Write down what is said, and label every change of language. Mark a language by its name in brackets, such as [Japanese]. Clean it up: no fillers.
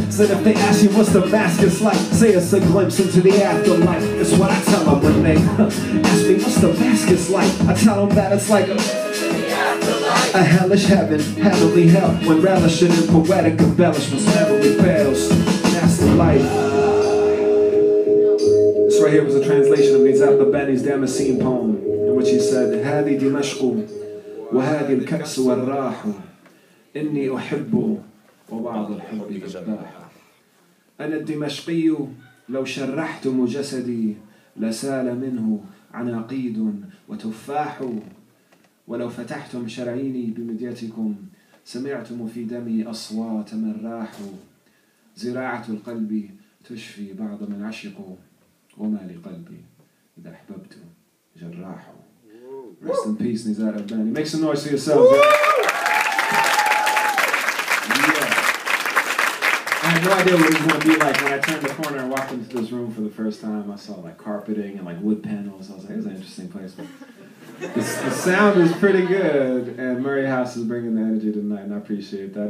[English] Said if they ask you what's the mask is like, say it's a glimpse into the afterlife. It's what I tell them when they ask me what's the mask is like. I tell them that it's like a hellish heaven, heavenly hell, when relishing in poetic embellishments heavenly fails. That's the life. This right here was a translation of Nizam Dabani's Damascene poem, in which he said, [Arabic] هذه دمشق وهذه الكأس والراحة إني أحب وبعض الحب إباحة أنا الدمشقي لو شرحت جسدي لسال منه عناقيد وتفاح ولو فتحتم شرعيني بمديتكم سمعتم في دمي أصوات من راح زراعة القلب تشفي بعض من عشق وما لقلبي إذا أحببت جراح. [English] Rest in peace, Nizar Abani. Make some noise for yourself. Yeah. I had no idea what it was going to be like. When I turned the corner and walked into this room for the first time, I saw like carpeting and like wood panels. I was like, this is an interesting place. But the sound is pretty good, and Murray House is bringing the energy tonight, and I appreciate that.